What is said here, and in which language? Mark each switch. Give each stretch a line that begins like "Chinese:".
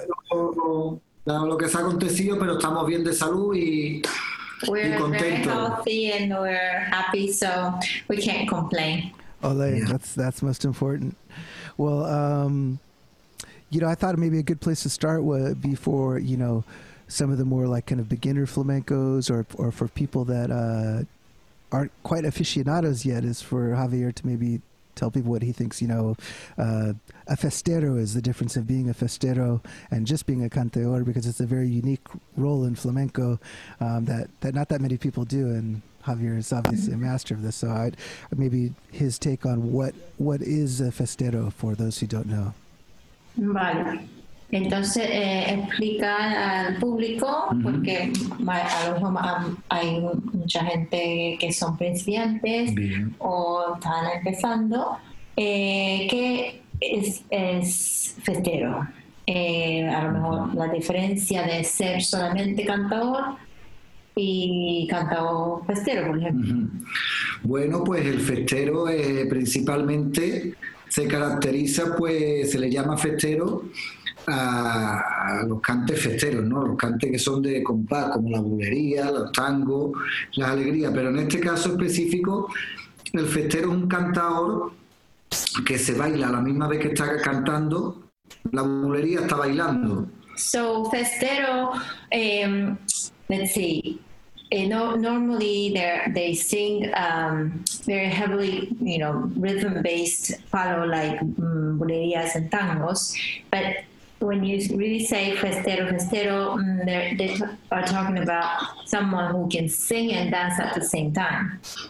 Spanish: Lo que se ha acontecido, pero estamos bien de salud y contentos.
English: We're very healthy and we're happy, so we can't complain. Olé, yeah. That's most important. Well, I thought maybe a good place to start would be for, some of the more like kind of beginner flamencos or for people that aren't quite aficionados yet is for Javier to maybe tell people what he thinks, a festero is, the difference of being a festero and just being a canteor, because it's a very unique role in flamenco that not that many people do. And Javier is obviously a master of this. So maybe his take on what is a festero for those who don't know.
Spanish: Vale. Entonces, explica al público, porque a lo mejor hay mucha gente que son principiantes o están empezando, ¿qué es festero? A lo mejor la diferencia de ser solamente cantador y cantador festero, por ejemplo. Bueno, pues el festero principalmente se caracteriza, pues se le llama festero a los cantes festeros, ¿no? Los cantes que son de compás, como la bulería, los tangos, las alegrías. Pero en este caso específico, el festero es un cantador que se baila a la misma vez que está cantando, la bulería está bailando.
English: So, festero, let's see, normally they sing very heavily, rhythm-based, follow like bulerías and tangos, but when you really say festero, they are talking about someone who can sing and dance at the same time.